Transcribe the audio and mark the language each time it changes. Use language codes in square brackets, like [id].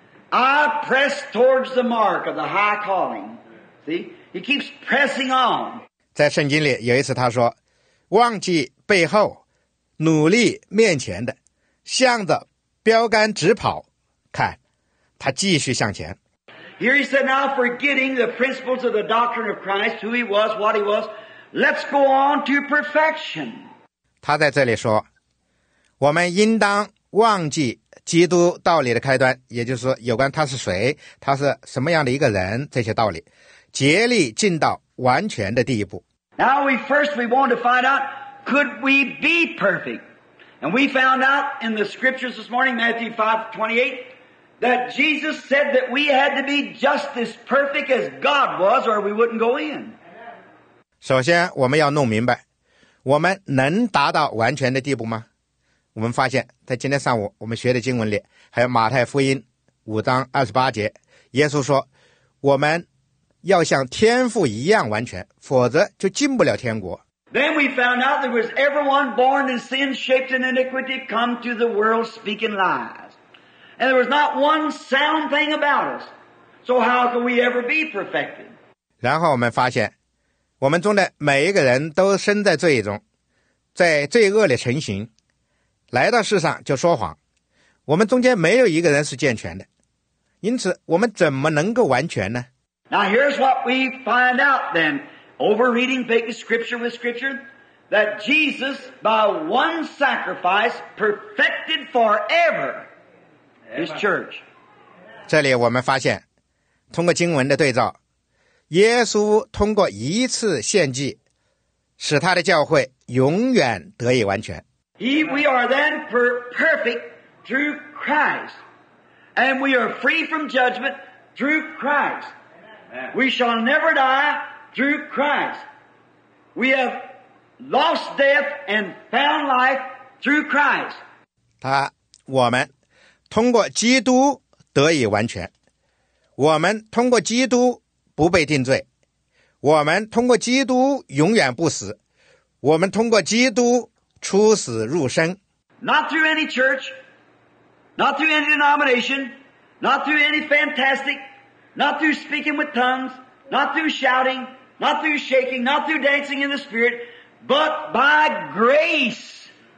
[en] I press towards the mark of the high calling. See, he keeps pressing on. [zh] 在圣经里有一次他说，忘记背后，努力面前的，向着标杆直跑，看，他继续向前。 [en] Here he said, now forgetting the principles of the doctrine of Christ, who he was, what he was, let's go on to perfection. [zh] 他在这里说，我们应当忘记基督道理的开端，也就是有关他是谁，他是什么样的一个人，这些道理，竭力进到完全的第一步。 [en] Now we want to find out, could we be perfect? And we found out in the scriptures this morning, Matthew 5:28, that Jesus said that we had to be just as perfect as God was, or we wouldn't go in. [zh] 首先我们要弄明白，我们能达到完全的地步吗？我们发现在今天上午我们学的经文里还有马太福音5:28，耶稣说我们要像天父一样完全，否则就进不了天国。 [en] Then we found out there was everyone born in sin, shaped in iniquity, come to the world speaking lies. And there was not one sound thing about us. So how can we ever be perfected? [zh] 然后我们发现我们中的每一个人都生在罪中，在罪恶里成形，来到世上就说谎，我们中间没有一个人是健全的，因此我们怎么能够完全呢？ [en] Now here's what we find out then, over reading scripture with scripture, that Jesus by one sacrifice perfected forever his church. [zh] 这里我们发现，通过经文的对照，耶稣通过一次献祭，使他的教会永远得以完全。 [en] We are then perfect through Christ, and we are free from judgment, through Christ. Amen. We shall never die through Christ. We have lost death and found life through Christ. [zh] 我们通过基督得以完全，我们通过基督不被定罪，我们通过基督永远不死，我们通过基督出死入生。 [en] Not through any church, not through any denomination, not through any fantastic, not through speaking with tongues, not through shouting, not through shaking, not through dancing in the spirit, but by grace.